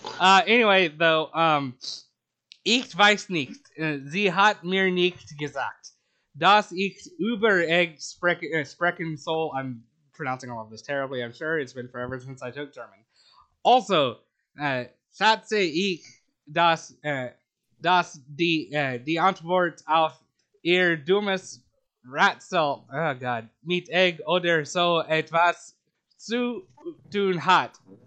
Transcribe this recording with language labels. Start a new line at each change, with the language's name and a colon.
English: Anyway, though,
German: Ich weiß nicht, sie hat mir nicht gesagt, dass ich über ihr sprechen soll.
English: I'm pronouncing all of this terribly, I'm sure. It's been forever since I took German.
German: Also, schätze ich, dass die Antwort auf ihr dummes Ratsel,
English: oh God,
German: mit egg oder so etwas zu tun hat.